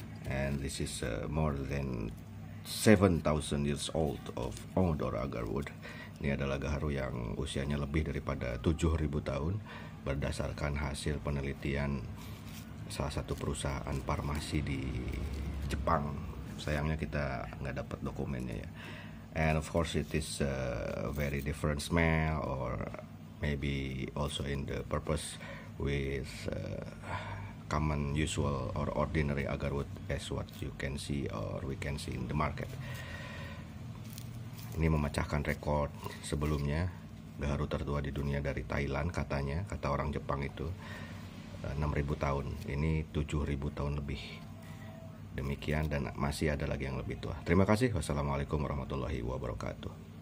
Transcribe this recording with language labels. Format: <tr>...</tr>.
<en>And this is more than 7000 years old of Odor Agarwood.</en> <id>Ini adalah gaharu yang usianya lebih daripada 7000 tahun berdasarkan hasil penelitian salah satu perusahaan farmasi di Jepang. Sayangnya kita gak dapat dokumennya ya.</id> <en>And of course it is a very different smell, or maybe also in the purpose with common usual or ordinary agarwood as what you can see or we can see in the market.</en> <id>Ini memecahkan rekor sebelumnya, gaharu tertua di dunia dari Thailand katanya, kata orang Jepang itu 6000 tahun, ini 7000 tahun lebih. Demikian, dan masih ada lagi yang lebih tua. Terima kasih. Wassalamualaikum warahmatullahi wabarakatuh.</id>